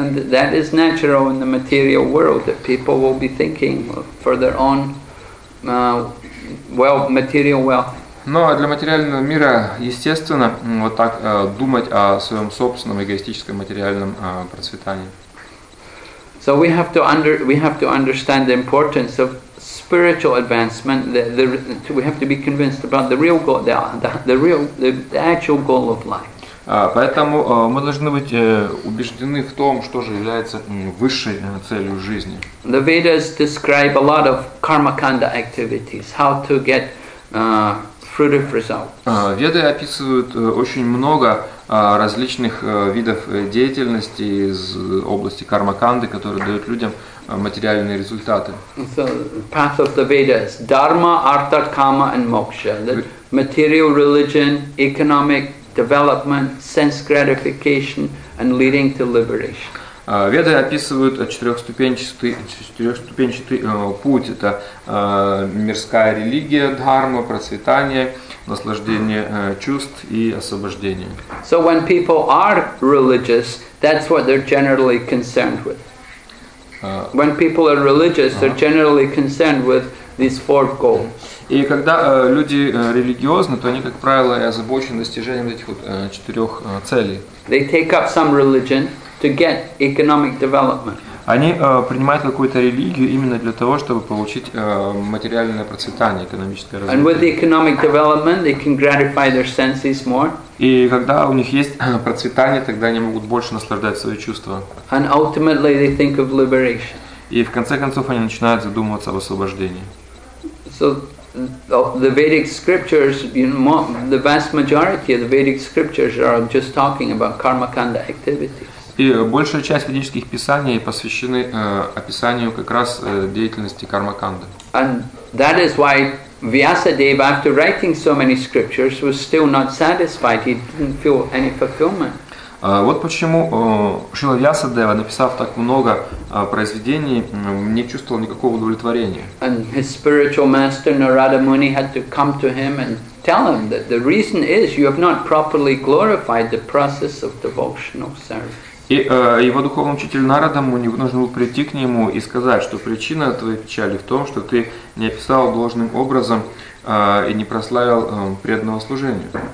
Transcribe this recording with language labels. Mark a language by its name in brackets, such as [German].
[English] That is natural in the material world that people will be thinking for their own material wealth. [Russian] Но для материального мира естественно вот так думать о своем собственном эгоистическом материальном процветании. [English] So we have to understand the importance of spiritual advancement. We have to be convinced about the real goal, the actual goal of life. [Russian] Поэтому мы должны быть убеждены в том, что же является высшей целью жизни. [English] The Vedas describe a lot of karmakanda activities, how to get fruitive results. [Russian] Веды описывают очень много различных видов деятельности из области кармаканды, которые дают людям материальные результаты. [English] So, path of the Vedas: dharma, artha, kama, and moksha. The material, religion, economic development, sense gratification, and leading to liberation. [Russian] Веды описывают четырехступенчатый путь. Это мирская религия, дхарма, процветание, наслаждение чувств и освобождение. [English] So when people are religious, that's what they're generally concerned with. When people are religious, they're generally concerned with these four goals. [Russian] И когда люди религиозны, то они, как правило, и озабочены достижением этих вот четырех целей. [English] They take up some religion to get economic development. [Russian] Они принимают какую-то религию именно для того, чтобы получить материальное процветание, экономическое развитие. [English] And with the economic development, they can gratify their senses more. [Russian] И когда у них есть процветание, тогда они могут больше наслаждать свои чувства. [English] And ultimately they think of liberation. [Russian] И в конце концов они начинают задумываться об освобождении. [English] So the Vedic scriptures, you know, the vast majority of the Vedic scriptures are just talking about karmakanda activities. [Russian] И большая часть ведических писаний посвящены описанию как раз деятельности кармаканды. [English] And that is why Vyasadeva, after writing so many scriptures, was still not satisfied. He didn't feel any fulfillment. [Russian] Вот почему Шрила Вьясадева, написав так много произведений, не чувствовал никакого удовлетворения. [English] And his spiritual master Narada Muni had to come to him and tell him that the reason is you have not properly glorified the process of devotional service. [Russian] И его духовный учитель Нарада Муни нужно было прийти к нему и сказать, что причина твоей печали в том, что ты не описал должным образом и не прославил преданного служения.